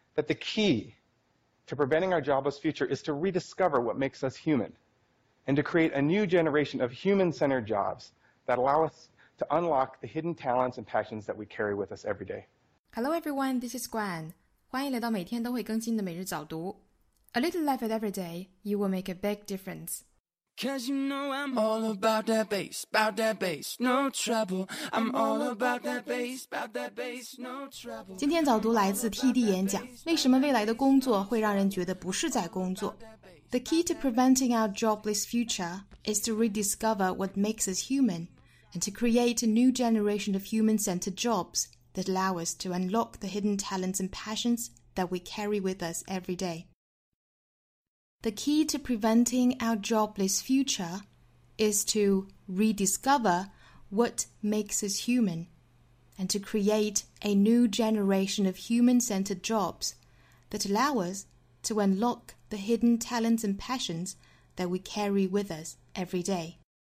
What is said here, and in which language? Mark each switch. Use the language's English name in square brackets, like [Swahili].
[English] that the key to preventing our jobless future is to rediscover what makes us human and to create a new generation of human-centered jobs that allow us to unlock the hidden talents and passions that we carry with us every day. Hello everyone, this is Gwen. [Chinese] 欢迎来到每天都会更新的每日早读。 [English] A little effort every day, you will make a big difference. Cause you know I'm all about that bass, no trouble. I'm all about that bass, no trouble. [Chinese] 今天早读来自 TD 演讲，为什么未来的工作会让人觉得不是在工作？ [English] The key to preventing our jobless future is to rediscover what makes us human and to create a new generation of human-centered jobs that allow us to unlock the hidden talents and passions that we carry with us every day. The key to preventing our jobless future is to rediscover what makes us human and to create a new generation of human-centered jobs that allow us to unlock the hidden talents and passions that we carry with us every day.